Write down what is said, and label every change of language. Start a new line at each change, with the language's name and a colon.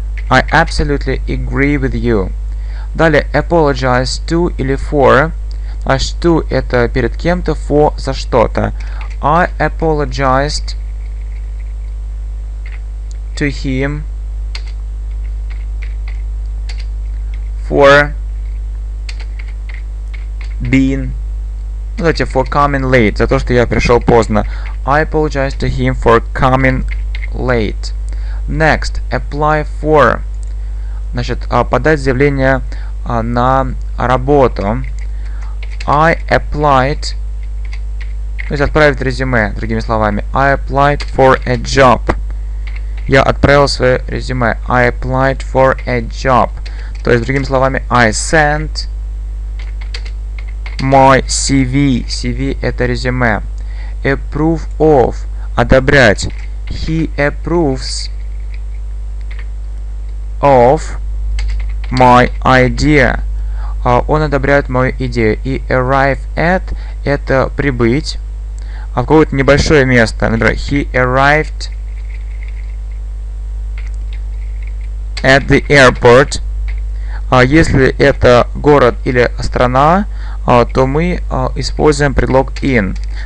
English: I absolutely agree with you.
Russian: Далее.
English: Apologize to или for.
Russian: Аж to это перед кем-то, for за что-то.
English: I apologized to him for being,
Russian: давайте,
English: for coming late,
Russian: за то, что я пришел поздно.
English: I apologize to him for coming late. Next, apply for,
Russian: значит, подать заявление на работу.
English: I applied,
Russian: то есть отправить резюме, другими словами.
English: I applied for a job.
Russian: Я отправил свое резюме.
English: I applied for a job.
Russian: То есть, другими словами,
English: I sent my CV.
Russian: CV – это резюме.
English: Approve of – одобрять. He approves of my idea.
Russian: Он одобряет мою идею. И arrive at – это прибыть в какое-то небольшое место. Например,
English: he arrived at the airport.
Russian: Если это город или страна, то мы используем предлог in.